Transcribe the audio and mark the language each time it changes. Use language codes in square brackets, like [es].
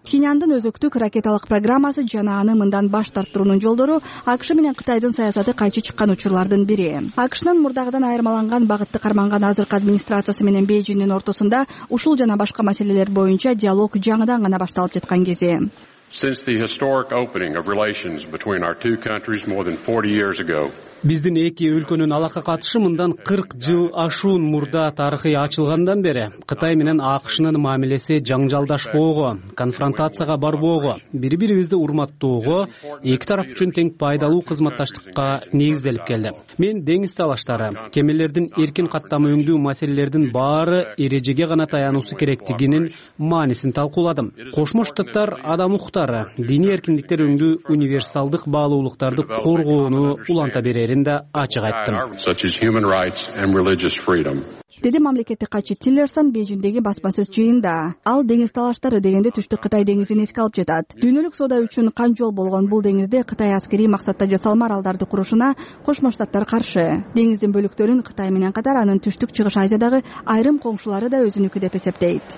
[ky] Кинандын өзөктүк ракеталык программасы жана аны мындан баш тарттыруунун жолдору АКШ менен Кытайдын саясаты кайчы чыккан учурлардын бири. АКШнын мурдагыдан айырмаланган багытты карманган азыркы администрациясы менен Бээжиндин ортосунда ушул жана башка маселелер боюнча диалог жаңыдан гана башталып жаткан кези. [en] Since the historic opening of relations between our two countries more than 40 years ago. [ky] Биздин эки өлкөнүн алака катышы мындан 40 жыл ашуун мурда тарыхый ачылгандан бери Кытай менен АКШнын мамилеси жаңжалдашпоого, конфронтацияга барбоого, бири-бирибизди урматтоого, эки тарап үчүн тең пайдалуу кызматташтыкка негизделип келди. Мен деңиз талаштары, кемелердин эркин каттамы өңдүү маселелердин баары эрежеге гана таянуусу керектигинин маанисин талкууладым. Кошмо Штаттар адам укуктары, диний эркиндиктер өңдүү универсалдык баалуулуктарды коргоону уланта берет. [en] Such as human rights and religious freedom. [ky] Деди мамлекеттик катчы Тиллерсон Бейжиндеги баспасөз жыйынында. Ал деңиз талаштары дегенде Түштүк Кытай деңизин эске алып жатат. Дүйнөлүк соода үчүн кан жол болгон бул деңизде Кытай аскерий максатта жасалма аралдарды курушуна Кошмо Штаттар каршы. Деңиздин бөлүктөрүн Кытай менен катар анын Түштүк Чыгыш Азиядагы айрым коңшулары да өзүнүкү деп эсептейт.